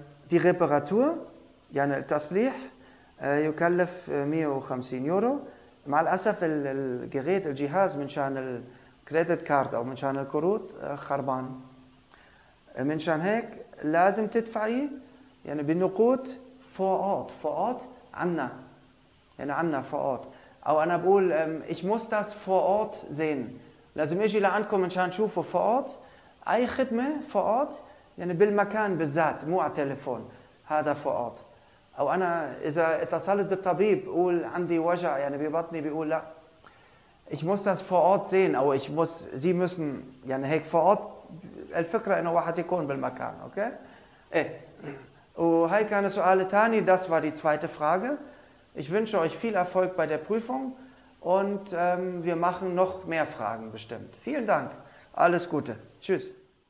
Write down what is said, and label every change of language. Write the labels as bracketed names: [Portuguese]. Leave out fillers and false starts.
[German] Die Reparatur, [Arabic] يعني التصليح، يكلف 150 يورو. مع الأسف الجهاز، منشان الكريدت كارد أو منشان الكروت، خربان. منشان هيك لازم تدفعي يعني بالنقود فور أوت، فور أوت عنا. يعني عنا فور أوت. أو أنا بقول [German] ich muss das vor Ort sehen. [Arabic] لازم أجي لعندكم منشان أشوفه فور أوت. أي خدمة فور أوت. يعني بالمكان بالذات، مو على التليفون، هذا فور اوت. او انا اذا اتصلت بالطبيب قول عندي وجع يعني ببطني، بيقول لا [German] ich muss das vor Ort sehen، [Arabic] او [German] ich muss sie müssen، [Arabic] يعني هيك فور اوت الفكره انه واحد يكون بالمكان، اوكي؟ ايه وهي كان السؤال الثاني، [German] das war die zweite Frage. Ich wünsche euch viel Erfolg bei der Prüfung und wir machen noch mehr Fragen bestimmt. Vielen Dank, alles Gute, tschüss.